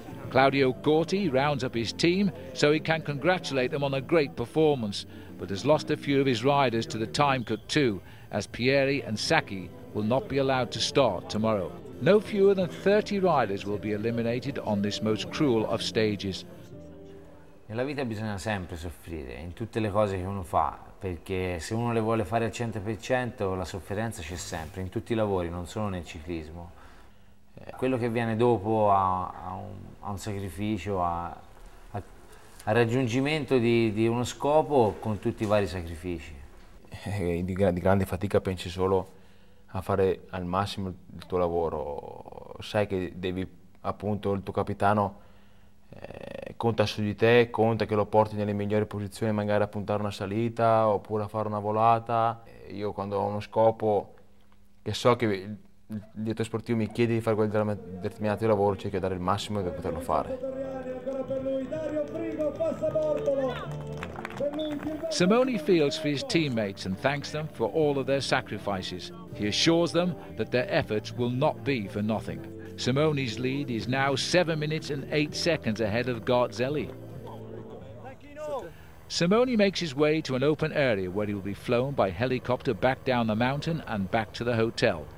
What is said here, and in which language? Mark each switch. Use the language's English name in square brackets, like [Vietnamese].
[English] Claudio Corti rounds up his team so he can congratulate them on a great performance, but has lost a few of his riders to the time cut too, as Pieri and Sacchi will not be allowed to start tomorrow. No fewer than 30 riders will be eliminated on this most cruel of stages. [Italian] Nella vita bisogna sempre soffrire, in tutte le cose che uno fa, perché se uno le vuole fare al 100%, la sofferenza c'è sempre, in tutti I lavori, non solo nel ciclismo. Quello che viene dopo a un sacrificio, al raggiungimento di uno scopo con tutti I vari sacrifici. Di grande fatica pensi solo a fare al massimo il tuo lavoro. Sai che devi, appunto, il tuo capitano conta su di te, conta che lo porti nelle migliori posizioni, magari a puntare una salita oppure a fare una volata. Io quando ho uno scopo che so che il direttore sportivo mi chiede di fare quel determinato lavoro, cerco di dare il massimo per poterlo fare. [English] Simone feels for his teammates and thanks them for all of their sacrifices. He assures them that their efforts will not be for nothing. Simone's lead is now 7 minutes and 8 seconds ahead of Garzelli. Simone makes his way to an open area where he will be flown by helicopter back down the mountain and back to the hotel.